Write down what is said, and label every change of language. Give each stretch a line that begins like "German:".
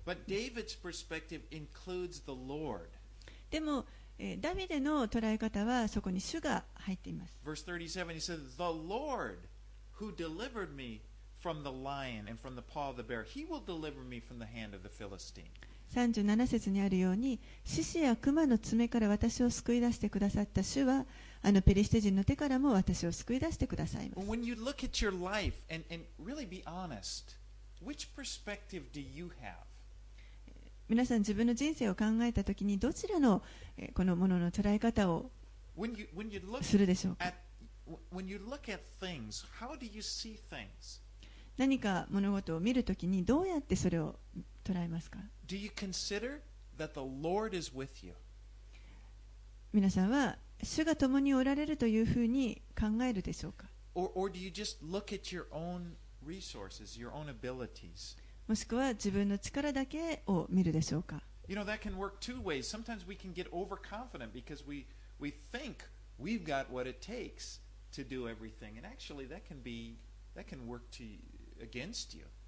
English: But David's perspective includes the Lord.
Japanese: でも、ダビデの捉え方はそこに主が入っています
English: Verse 37 he said The Lord who delivered meFrom the lion and from the paw of the bear, he will deliver me from the hand of the Philistine.
Japanese: 37節にあるように、獅子や熊の爪から私を救い出してくださった主は、あのペリシテ人の手からも私を救い出してくださいます。
English: When you look at your life and really be honest, which perspective do you have?
Japanese: 皆さん自分の人生を考えたときにどちらのこのものの捉え方をするでしょうか。
English: When you look at things, how do you see things?
Japanese: 何か物事を見るときにどうやってそれを捉えますか?
English: Do you consider that the Lord is with you?
Japanese: 皆さんは主が共におられるというふうに考えるでしょうか?
English: Or do you just look at your own resources, your own abilities?
Japanese: もしくは自分の力だけを見るでしょうか?
English: You know, that can work two ways. Sometimes we can get overconfident because we think we've got what it takes to do everything. And actually, that can work to you. Against you.